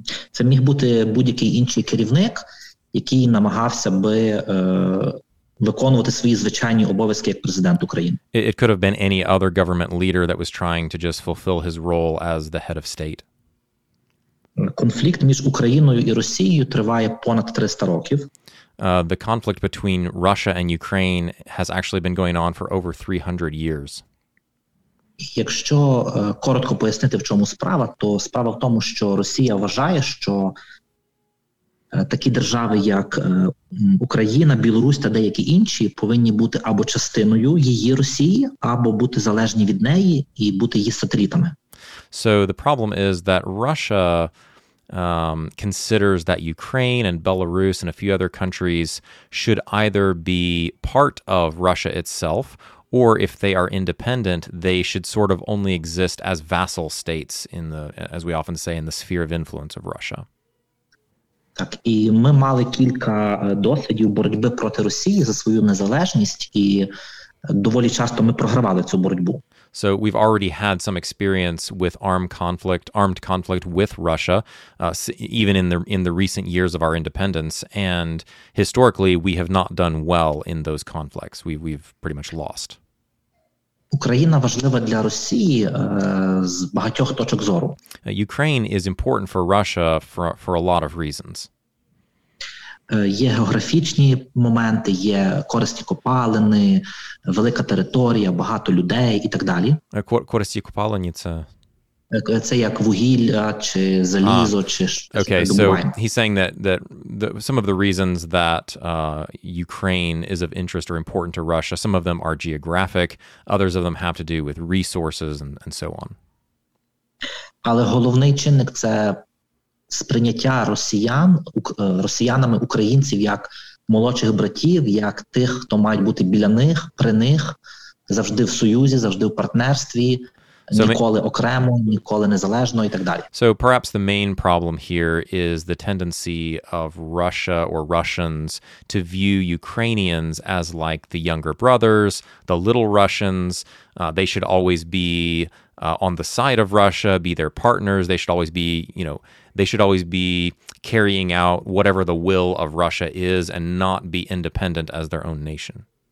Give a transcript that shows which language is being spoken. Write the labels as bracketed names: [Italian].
[Ukrainian] Це міг бути будь-який інший керівник, який намагався би виконувати свої звичайні обов'язки як президент України. [English] It could have been any other government leader that was trying to just fulfill his role as the head of state. [Ukrainian] Конфлікт між Україною і Росією триває понад 300 років. [English] The conflict between Russia and Ukraine has actually been going on for over 300 years. [Ukrainian] Якщо коротко пояснити, в чому справа, то справа в тому, що Росія вважає, що такі держави, як Україна, Білорусь та деякі інші, повинні бути або частиною її Росії, або бути залежні від неї і бути її сателітами. [English] So the problem is that Russia considers that Ukraine and Belarus and a few other countries should either be part of Russia itself, or if they are independent, they should sort of only exist as vassal states in the, as we often say, in the sphere of influence of Russia. [Ukrainian] Так, і ми мали кілька досвідів боротьби проти Росії за свою незалежність, і доволі часто ми програвали цю боротьбу. [English] So we've already had some experience with armed conflict with Russia, even in the recent years of our independence. And historically, we have not done well in those conflicts. We've pretty much lost. [Ukrainian] Україна важлива для Росії з багатьох точок зору. [English] Ukraine is important for Russia for a lot of reasons. [Ukrainian] Є географічні моменти, є корисні копалини, велика територія, багато людей і так далі. Корисні копалини – це як вугілля чи залізо, чи щось. [English] Okay, so he's saying that some of the reasons that Ukraine is of interest or important to Russia, some of them are geographic, others of them have to do with resources and so on. [Ukrainian] Але головний чинник – це сприйняття росіянами українців як молодших братів, як тих, хто мають бути біля них, при них, завжди в союзі, завжди в партнерстві. So, ніколи окремо, ніколи незалежно і так далі. [English] So perhaps the main problem here is the tendency of Russia or Russians to view Ukrainians as like the younger brothers, the little Russians. They should always be on the side of Russia, be their partners. They should always be, you know, they should always be carrying out whatever the will of Russia is and not be independent as their own nation.